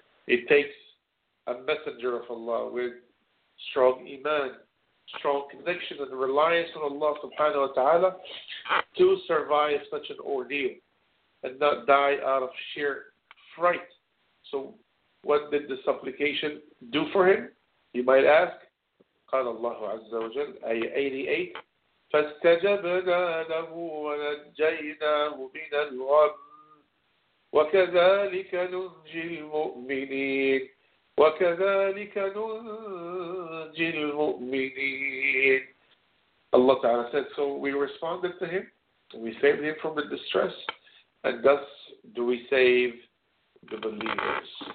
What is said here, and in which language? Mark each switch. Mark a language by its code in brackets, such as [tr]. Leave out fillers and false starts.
[en] It takes a messenger of Allah with strong iman, strong connection, and reliance on Allah subhanahu wa ta'ala to survive such an ordeal and not die out of sheer fright. So what did the supplication do for him? You might ask. [ar] قال الله عز وجل أي 88 فاستجبنا له ونجيناه من الغم وكذلك ننجي المؤمنين وكذلك ننجي المؤمنين. [en] Allah Ta'ala said, so we responded to him, we saved him from the distress, and thus do we save the believers.